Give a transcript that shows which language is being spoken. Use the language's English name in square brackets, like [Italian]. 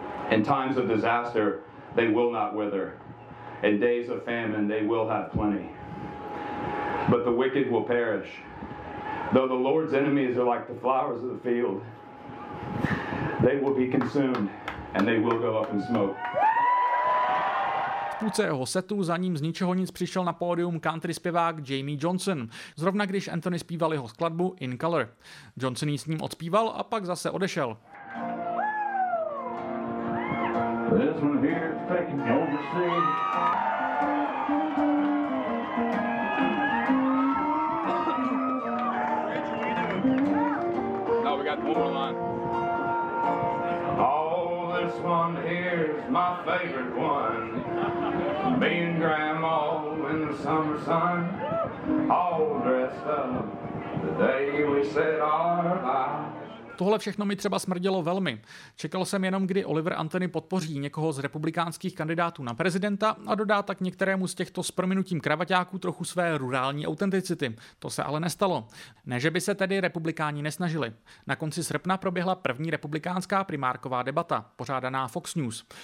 [English] In times of disaster, they will not wither. In days of famine, they will have plenty. But the wicked will perish. Though the Lord's enemies are like the flowers of the field, they will be consumed and they will go up in smoke. [Czech] V půlce jeho setu za ním z ničeho nic přišel na pódium country zpěvák Jamie Johnson, zrovna když Anthony zpíval jeho skladbu In Color. Johnson ji s ním odspíval a pak zase odešel. [English] This one here is taking me overseas. No, we got one more line. Oh, this one here is my favorite one. Me and Grandma in the summer sun, all dressed up the day we said our vows. [Czech] Tohle všechno mi třeba smrdělo velmi. Čekal jsem jenom, kdy Oliver Anthony podpoří někoho z republikánských kandidátů na prezidenta a dodá tak některému z těchto s prominutím kravaťáků trochu své rurální autenticity. To se ale nestalo. Ne, že by se tedy republikáni nesnažili. Na konci srpna proběhla první republikánská primárková debata, pořádaná Fox News.